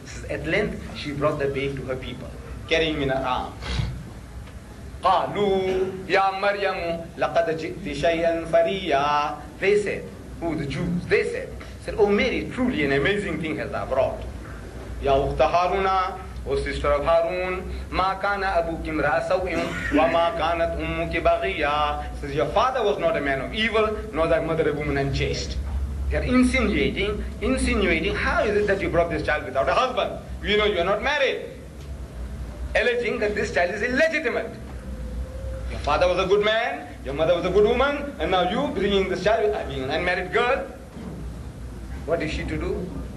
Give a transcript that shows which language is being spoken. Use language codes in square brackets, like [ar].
[en] At length, she brought the babe to her people, carrying him in her arms. [ar] قَالُوا يَا مَرْيَمُ لَقَدْ جِئْتِ شَيْئًا فَرِيًّا. [en] They said, who, the Jews, they said, oh Mary, truly an amazing thing has thou brought. [ar] يَا أُخْتَ هَارُونَ, [en] O sister of Harun, [ar] مَا كَانَ أَبُوكِ امْرَأَ سَوْءٍ وَمَا كَانَتْ أُمُّكِ بَغِيًّا. [en] Says, your father was not a man of evil, nor thy mother a woman unchaste. They are insinuating, how is it that you brought this child without a husband? We know you are not married. Alleging that this child is illegitimate. Your father was a good man, your mother was a good woman, and now you bringing this child, being an unmarried girl. What is she to do?